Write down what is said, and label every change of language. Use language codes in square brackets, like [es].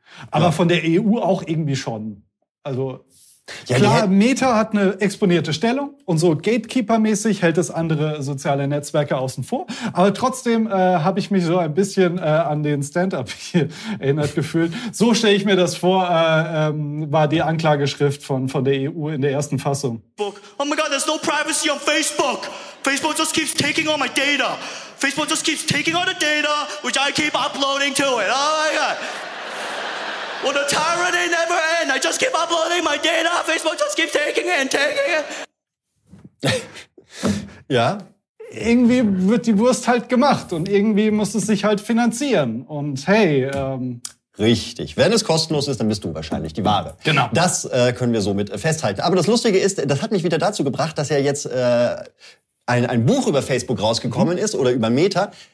[de] Aber ja, von der EU auch irgendwie schon. Also ja, klar, Meta hat eine exponierte Stellung und so Gatekeeper-mäßig hält es andere soziale Netzwerke außen vor. Aber trotzdem habe ich mich so ein bisschen an den Stand-up hier erinnert gefühlt. So stelle ich mir das vor, war die Anklageschrift von der EU in der ersten Fassung. [en] Oh my God, there's no privacy on Facebook. Facebook just keeps taking all my data. Facebook just keeps taking all the data, which I keep uploading to it. Oh my God. Well, the tyranny never ends. I just keep uploading my data. Facebook just keeps taking it and taking it. [de] Ja. Irgendwie wird die Wurst halt gemacht und irgendwie muss es sich halt finanzieren. Und hey, Richtig. Wenn es kostenlos ist, dann bist du wahrscheinlich die Ware. Genau. Das können wir somit festhalten. Aber das Lustige ist, das hat mich wieder dazu gebracht, dass ja jetzt ein Buch über Facebook rausgekommen ist oder über Meta.